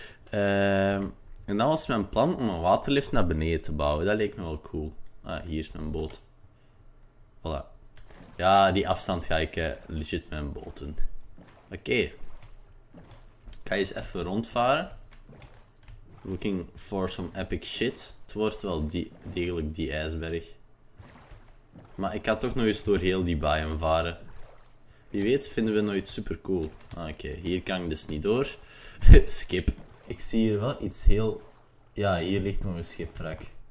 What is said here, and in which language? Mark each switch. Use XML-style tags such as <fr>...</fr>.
<nl>En dat was mijn plan om een waterlift naar beneden te bouwen. Dat leek me wel cool. Ah, hier is mijn boot. Voilà. Ja, die afstand ga ik legit mijn boot doen. Oké. Kan je eens even rondvaren?</nl> <en>Looking for some epic shit.</en> <nl>Het wordt wel degelijk die ijsberg. Maar ik ga toch nog eens door heel die baaien varen. Wie weet vinden we nog iets super cool. Oké, hier kan ik dus niet door. Skip. Ik zie hier wel iets heel. Ja, hier ligt nog een schipwrak.</nl>